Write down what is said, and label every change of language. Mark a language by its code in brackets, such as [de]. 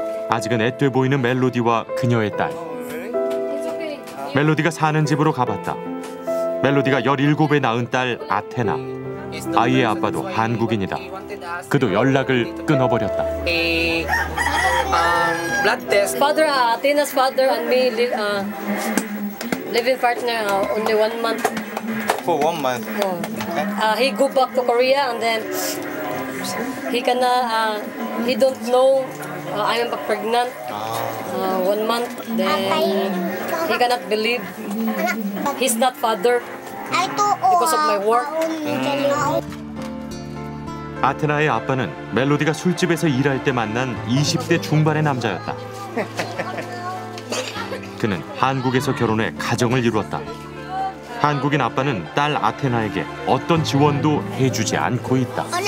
[ko] 아직은 애돼 보이는 멜로디와 그녀의 딸. 멜로디가 사는 집으로 가봤다. 멜로디가 17에 낳은 딸 아테나. 아이의 아빠도 한국인이다. 그도 연락을 끊어버렸다. [en] Blood test. Father, Athena's father and me living partner only 1 month. For 1 month? No. Okay. He go back to Korea and then he cannot, he don't know I am pregnant. 1 month, then he cannot believe he's not father because of my work. Mm. [ko] 아테나의 아빠는 멜로디가 술집에서 일할 때 만난 20대 중반의 남자였다. 그는 한국에서 결혼해 가정을 이루었다. 한국인 아빠는 딸 아테나에게 어떤 지원도 해주지 않고 있다.